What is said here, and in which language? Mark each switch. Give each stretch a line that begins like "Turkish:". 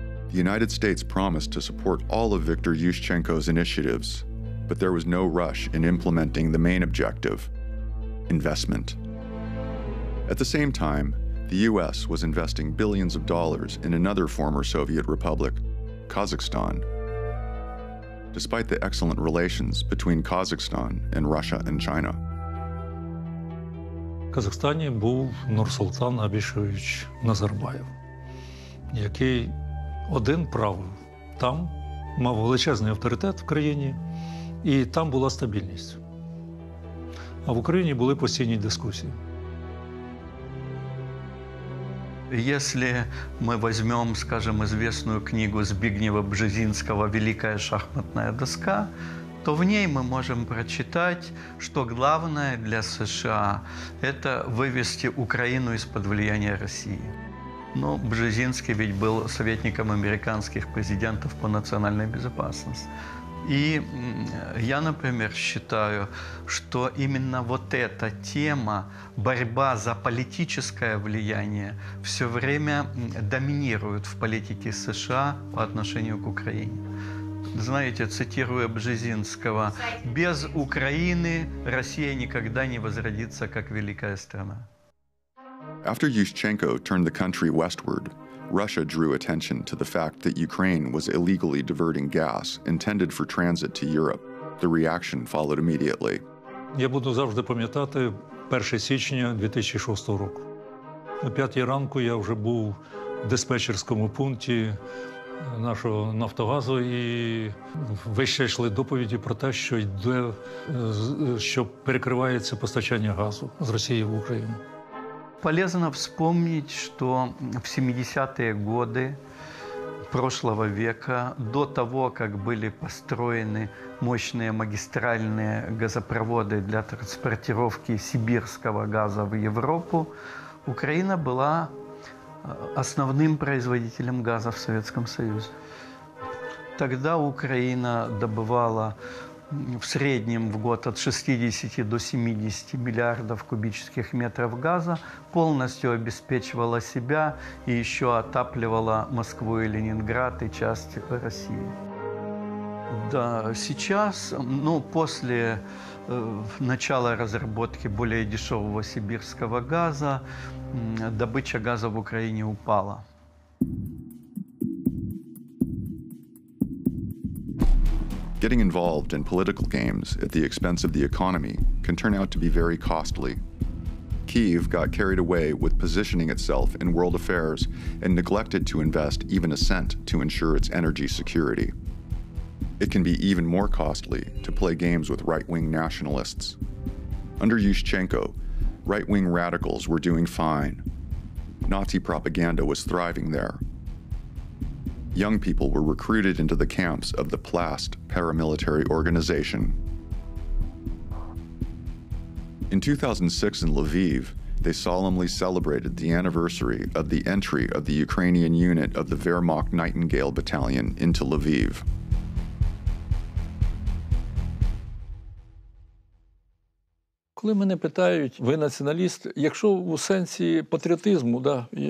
English: The United States promised to support all of Viktor Yushchenko's initiatives, but there was no rush in implementing the main objective, investment. At the same time, the US was investing billions of dollars in another former Soviet republic, Kazakhstan. Despite the excellent relations between Kazakhstan and Russia and China.
Ukrainian: В Казахстані був Нурсултан Абішевич Назарбаєв, який один правив, там мав величезний авторитет в країні, і там була стабільність. А в Україні були постійні дискусії.
Russian: Если мы возьмем, скажем, известную книгу Збігнєва Бжезінського «Великая шахматная доска», то в ней мы можем прочитать, что главное для США – это вывести Украину из-под влияния России. Ну, Бжезинский ведь был советником американских президентов по национальной безопасности. И я, например, считаю, что именно вот эта тема, борьба за политическое влияние, все время доминирует в политике США по отношению к Украине. Знаете, цитируя Бжезинского, «Без Украины Россия никогда не возродится как великая страна».
English: After Yushchenko turned the country westward, Russia drew attention to the fact that Ukraine was illegally diverting gas intended for transit to Europe. The reaction followed immediately.
Ukrainian: Я буду завжди пам'ятати 1 січня 2006 року. О 5 ранку я вже був в диспетчерському пункті нашого Нафтогазу, і вийшли доповіді про те, що йде, що перекривається постачання газу з Росії в Україну.
Russian: Полезно вспомнить, что в 70-е годы прошлого века, до того, как были построены мощные магистральные газопроводы для транспортировки сибирского газа в Европу, Украина была основным производителем газа в Советском Союзе. Тогда Украина добывала в среднем в год от 60 до 70 миллиардов кубических метров газа, полностью обеспечивала себя и еще отапливала Москву и Ленинград и часть России. Да, сейчас, ну, после начала разработки более дешевого сибирского газа, добыча газа в Украине упала.
English: Getting involved in political games at the expense of the economy can turn out to be very costly. Kyiv got carried away with positioning itself in world affairs and neglected to invest even a cent to ensure its energy security. It can be even more costly to play games with right-wing nationalists. Under Yushchenko, right-wing radicals were doing fine. Nazi propaganda was thriving there. Young people were recruited into the camps of the PLAST paramilitary organization. In 2006 in Lviv, they solemnly celebrated the anniversary of the entry of the Ukrainian unit of the Wehrmacht Nightingale Battalion into Lviv.
Ukrainian: Коли мене питають, ви націоналіст, якщо у сенсі патріотизму, да,